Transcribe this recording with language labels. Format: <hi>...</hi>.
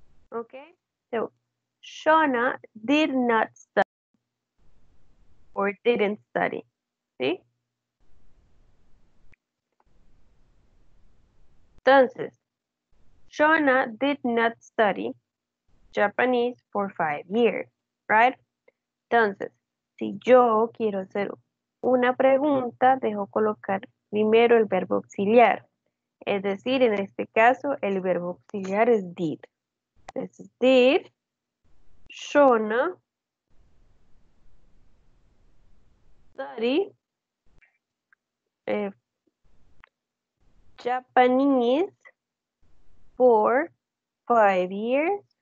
<en>Ok, so Shona did not study or didn't study. ¿Sí? Entonces, Shona did not study Japanese for 5 years, right?</en> <es>Entonces, si yo quiero hacer una pregunta, dejo colocar primero el verbo auxiliar. Es decir, en este caso, el verbo auxiliar es did.</es> <en>Entonces, did Shona study Japanese for 5 years?</en>